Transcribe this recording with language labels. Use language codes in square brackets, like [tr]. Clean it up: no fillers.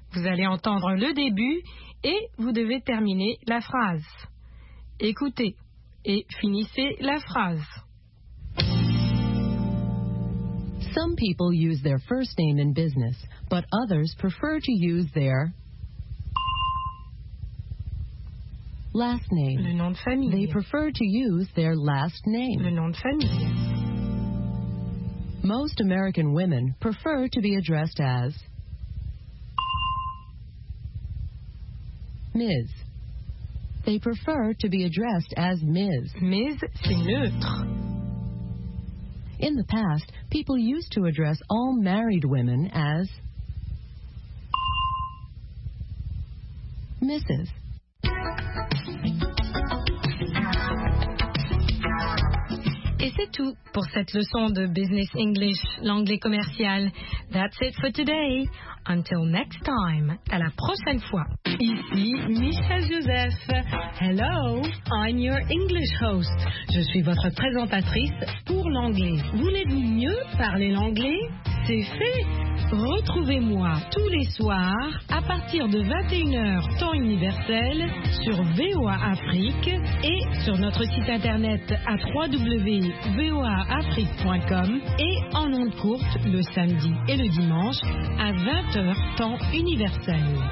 [fr] Vous allez entendre le début et vous devez terminer la phrase. Écoutez et finissez la phrase. [en] Some people use their first name in business, but others prefer to use their last name. [fr] Le nom de famille. [en] They prefer to use their last name. [fr] Le nom de famille. [en] Most American women prefer to be addressed as Ms. They prefer to be addressed as Ms. [fr] Ms, c'est neutre. [en] In the past, people used to address all married women as Mrs. [fr] Et c'est tout pour cette leçon de Business English, l'anglais commercial. [en] That's it for today. Until next time, [fr] à la prochaine fois. Ici Michel Joseph. [en] Hello, I'm your English host. [fr] Je suis votre présentatrice pour l'anglais. Voulez-vous mieux parler l'anglais? C'est fait. Retrouvez-moi tous les soirs à partir de 21h temps universel sur VOA Afrique et sur notre site internet à www.voaafrique.com et en onde courte le samedi et le dimanche à 20h temps universel.